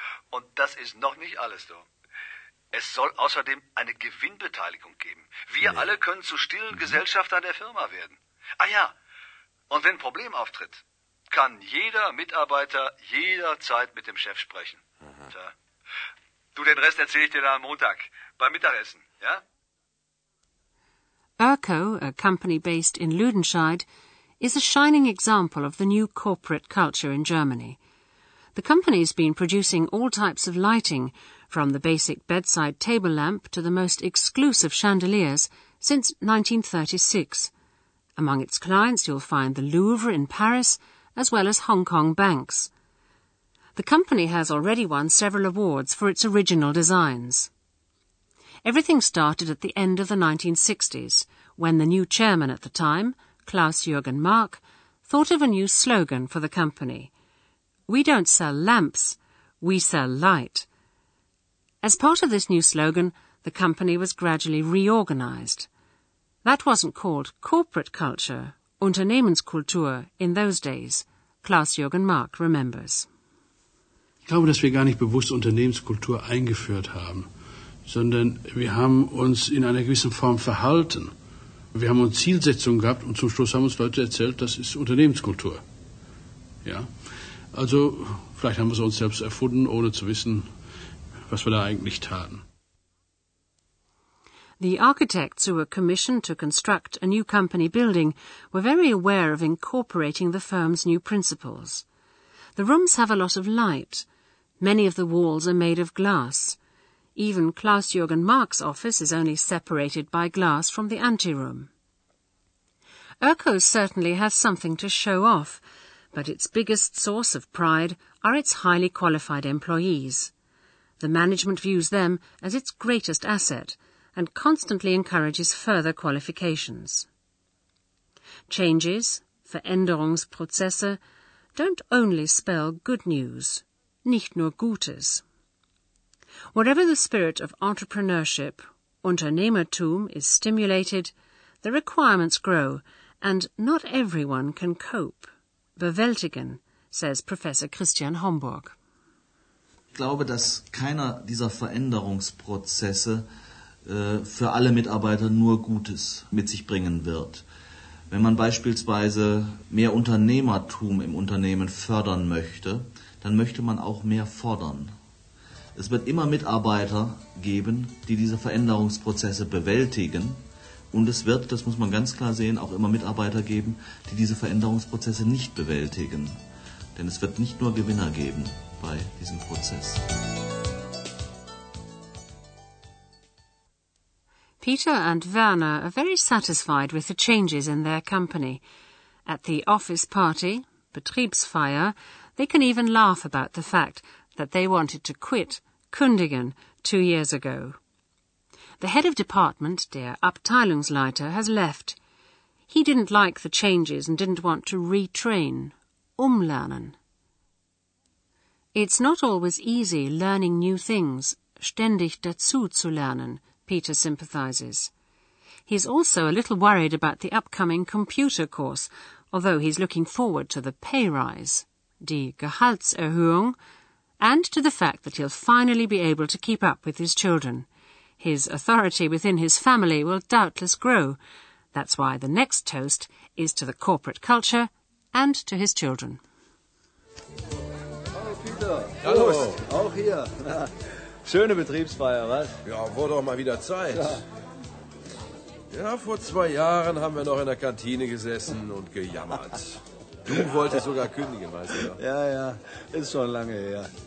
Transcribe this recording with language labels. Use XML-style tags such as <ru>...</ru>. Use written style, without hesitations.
<de>Und das ist noch nicht alles, du. Es soll außerdem eine Gewinnbeteiligung geben. Wir alle können zu stillen Gesellschaftern der Firma werden. Ah ja, und wenn ein Problem auftritt, kann jeder Mitarbeiter jederzeit mit dem Chef sprechen. Tja. Du, den Rest erzähle ich dir dann am Montag, beim Mittagessen, ja?</de> <en>Erco, a company based in Lüdenscheid, is a shining example of the new corporate culture in Germany. The company has been producing all types of lighting, from the basic bedside table lamp to the most exclusive chandeliers, since 1936. Among its clients, you'll find the Louvre in Paris, as well as Hong Kong banks. The company has already won several awards for its original designs. Everything started at the end of the 1960s, when the new chairman at the time, Klaus-Jürgen Mark, thought of a new slogan for the company. "We don't sell lamps, we sell light." As part of this new slogan, the company was gradually reorganized. That wasn't called corporate culture, Unternehmenskultur, in those days, Klaus-Jürgen Mark remembers.</en> <de>Ich glaube, dass wir gar nicht bewusst Unternehmenskultur eingeführt haben, sondern wir haben uns in einer gewissen Form verhalten. Wir haben uns Zielsetzungen gehabt und zum Schluss haben uns Leute erzählt, das ist Unternehmenskultur. Ja? Also vielleicht haben wir es uns selbst erfunden, ohne zu wissen, was wir da eigentlich taten.</de> <en>The architects who were commissioned to construct a new company building were very aware of incorporating the firm's new principles. The rooms have a lot of light. Many of the walls are made of glass. Even Klaus-Jürgen Mark's office is only separated by glass from the anteroom. Erko certainly has something to show off, but its biggest source of pride are its highly qualified employees. The management views them as its greatest asset and constantly encourages further qualifications. Changes, Veränderungsprozesse, don't only spell good news,</en> <de>nicht nur Gutes.</de> <en>Wherever the spirit of entrepreneurship, Unternehmertum, is stimulated, the requirements grow, and not everyone can cope. Bewältigen, says Professor Christian Homburg.</en> <de>Ich glaube, dass keiner dieser Veränderungsprozesse für alle Mitarbeiter nur Gutes mit sich bringen wird. Wenn man beispielsweise mehr Unternehmertum im Unternehmen fördern möchte, dann möchte man auch mehr fordern. Es wird immer Mitarbeiter geben, die diese Veränderungsprozesse bewältigen. Und es wird, das muss man ganz klar sehen, auch immer Mitarbeiter geben, die diese Veränderungsprozesse nicht bewältigen. Denn es wird nicht nur Gewinner geben bei diesem Prozess.</de> <en>Peter and Werner are very satisfied with the changes in their company. At the office party, Betriebsfeier, they can even laugh about the fact that they wanted to quit, kündigen, 2 years ago. The head of department,</en> <de>der Abteilungsleiter,</de> <en>has left. He didn't like the changes and didn't want to retrain, umlernen. It's not always easy learning new things,</en> <de>ständig dazu zu lernen,</de> <en>Peter sympathizes. He's also a little worried about the upcoming computer course, although he's looking forward to the pay rise,</en> <de>die Gehaltserhöhung,</de> <en>and to the fact that he'll finally be able to keep up with his children. His authority within his family will doubtless grow. That's why the next toast is to the corporate culture and to his children.</en> <de>Hallo Peter. Hallo. Auch hier. Schöne Betriebsfeier, was? Ja, wurde auch mal wieder Zeit. Ja. Ja, vor 2 Jahren haben wir noch in der Kantine gesessen und gejammert. Du wolltest sogar kündigen, weißt du? Ja, ist schon lange her.</de>